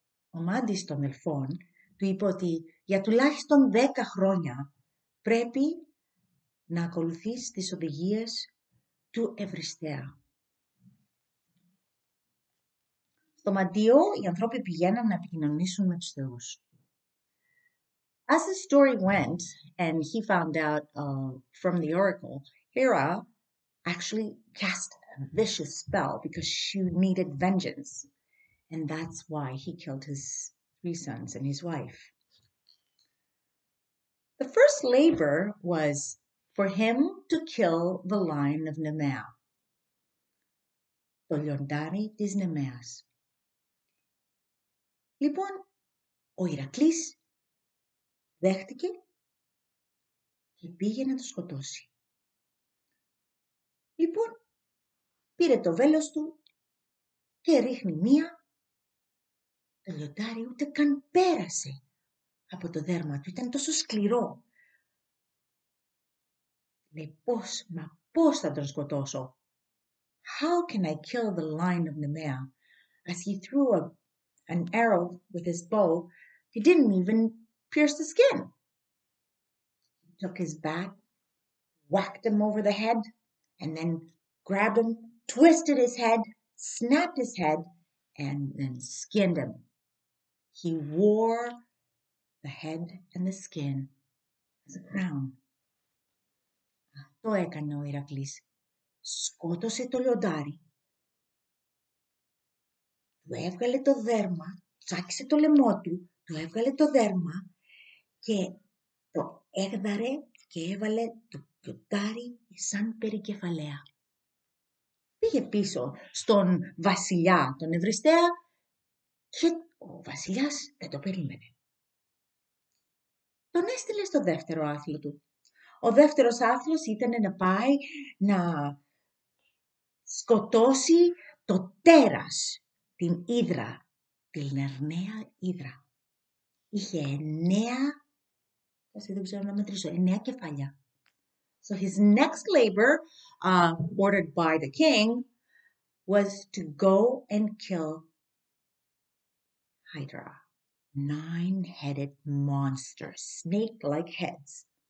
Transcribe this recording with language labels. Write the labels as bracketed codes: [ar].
[el] Ο Μάντης των Δελφών του είπε ότι για τουλάχιστον 10 χρόνια πρέπει να ακολουθείς τις οδηγίες του Ευριστέα. Στο μαντίο, οι ανθρώποι πηγαίναν να επικοινωνήσουν με τους θεούς. [en] As the story went, and he found out from the oracle, Hera actually cast a vicious spell because she needed vengeance. And that's why he killed his three sons and his wife. The first labor was for him to kill the lion of Nemea, [el] το λιοντάρι της Νεμέας. Λοιπόν, ο Ηρακλής δέχτηκε και πήγε να το σκοτώσει. Λοιπόν, πήρε το βέλος του και ρίχνει μία. Το λιοντάρι ούτε καν πέρασε από το δέρμα του, ήταν τόσο σκληρό. Πώς θα τον σκοτώσω? [en] How can I kill the lion of Nemea? As he threw an arrow with his bow, he didn't even pierce the skin. He took his bat, whacked him over the head, and then grabbed him, twisted his head, snapped his head, and then skinned him. He wore the head and the skin as a crown. [el] Το έκανε ο Ηρακλής. Σκότωσε το λιοντάρι. του έβγαλε το δέρμα, τσάκισε το λαιμό του, του έβγαλε το δέρμα και το έγδαρε και έβαλε το κιοντάρι σαν περικεφαλαία. Πήγε πίσω στον βασιλιά, τον Ευριστέα, και ο βασιλιάς δεν το περίμενε. Τον έστειλε στο δεύτερο άθλο του. Ο δεύτερος άθλος ήταν να πάει να σκοτώσει το τέρας, την ύδρα, την Αρνέα ύδρα. Είχε 9, δεν ξέρω να μετρήσω, 9 κεφάλια. [en] So his next labor, ordered by the king, was to go and kill Hydra, 9-headed monster, snake-like heads.